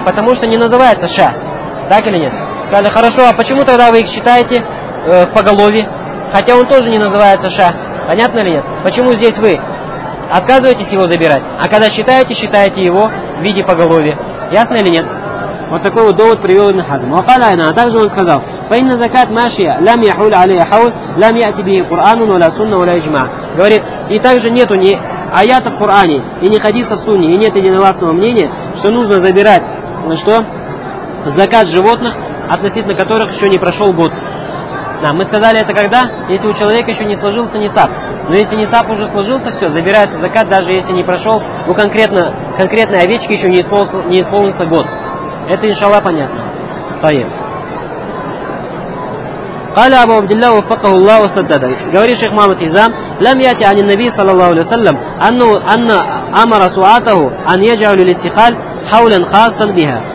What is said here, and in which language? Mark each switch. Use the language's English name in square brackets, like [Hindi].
[Russian] Потому что не называется ша. Так или нет? Сказали, хорошо, а почему тогда вы их считаете в поголовье? Хотя он тоже не называется ша. Понятно или нет? Почему здесь вы отказываетесь его забирать, а когда считаете, считаете его в виде поголовья. Ясно или нет? Вот такой вот довод привел Ибн Хазм. [Arabic] وقال أنا, [Russian] а также он сказал: [Arabic] فإن زكاة ماشية لم يحول عليها حول لم يأتي به قرآن ولا سنة ولا إجماع. [Russian] Говорит, и также нету ни аята в Коране и ни хадиса в Сунне, и нет единогласного мнения, что нужно забирать, что закат животных, относительно которых еще не прошел год. Да, мы сказали это когда? Если у человека еще не сложился нисаб. Но если нисаб уже сложился, все, забирается закат, даже если не прошел, у конкретной овечки еще не исполнился год. Это, иншаллах, понятно. Саим. [Arabic] قال أبو عبد الله وفقه الله وسدده. [Russian] Говорит шейх Мухаммад Хизам, [Arabic] لم يأتي عن النبي صلى الله عليه وسلم أن أمر سعاته أن يجعل الاستخال حولا خاصا بها.